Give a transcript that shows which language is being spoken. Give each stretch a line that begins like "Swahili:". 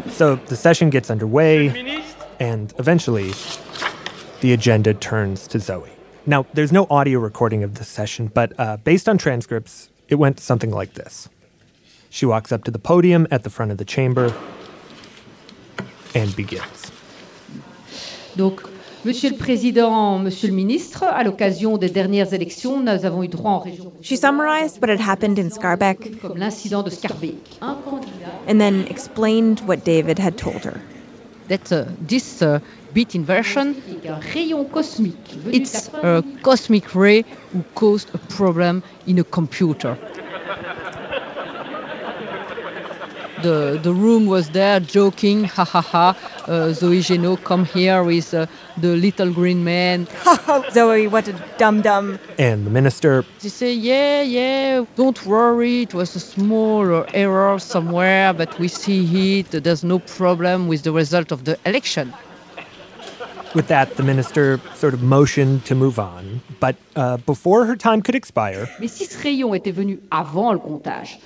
English: So the session gets underway, and eventually, the agenda turns to Zoe. Now, there's no audio recording of this session, but based on transcripts, it went something like this. She walks up to the podium at the front of the chamber and begins.
French: Donc, Monsieur le Président, Monsieur le Ministre, à l'occasion des dernières élections, nous avons eu droit en région.
English: She summarized what had happened in Skarbek.
French: Comme l'incident de Skarbek.
English: And then explained what David had told her. That this bit inversion,
French: rayon cosmique.
English: It's a cosmic ray who caused a problem in a computer. The room was there joking, ha ha ha. Zoe Geno, come here with the little green man. Zoe, what a dum-dum. And the minister. They say, yeah, don't worry. It was a small error somewhere, but we see it. There's no problem with the result of the election. With that, the minister sort of motioned to move on. But before her time could expire,
French: mais si ce rayon était venu avant le comptage,